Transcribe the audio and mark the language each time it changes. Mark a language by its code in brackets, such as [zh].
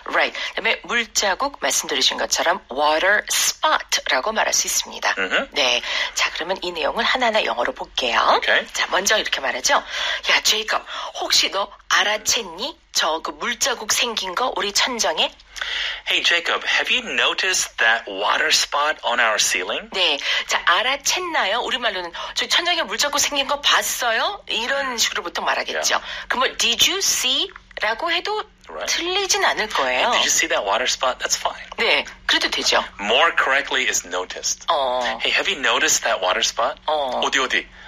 [ko] Right. 그다음에 물자국 말씀드리신 것처럼 water spot라고 말할 수 있습니다. Mm-hmm. 네. 자 그러면 이 내용을 하나하나 영어로 볼게요. [en] Okay. [ko] 자 먼저 이렇게 말하죠. 야 제이컵 혹시 너 알아챘니? 저 그 물자국 생긴 거 우리 천장에? [en] Hey Jacob, have you noticed that water spot on our ceiling? [ko] 네, 자 알아챘나요? 우리말로는 저 천장에 물자국 생긴 거 봤어요? 이런 식으로 보통 말하겠죠. [en] Yeah. [ko] 그럼 [en] did you see? [ko] 라고 해도 [en] right. [ko] 틀리진 않을 거예요. [en] Hey, did you see that water spot? That's fine. [ko] 네, 그래도 되죠. [en] More correctly is noticed. Hey, have you noticed that water spot? 어디?